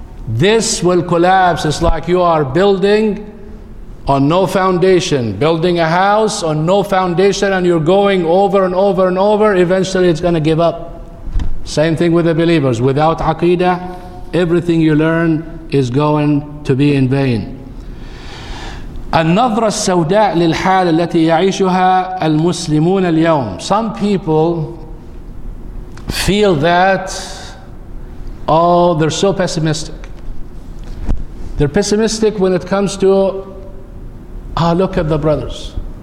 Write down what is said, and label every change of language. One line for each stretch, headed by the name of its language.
English: This will collapse. It's like you are building on no foundation. Building a house on no foundation and you're going over and over and over. Eventually it's going to give up. Same thing with the believers. Without aqidah, everything you learn is going to be in vain.
Arabic: النظرة السوداء للحال التي يعيشها المسلمون اليوم.
English: Some people feel that, oh, they're so pessimistic. They're pessimistic when it comes to, oh, look at the brothers.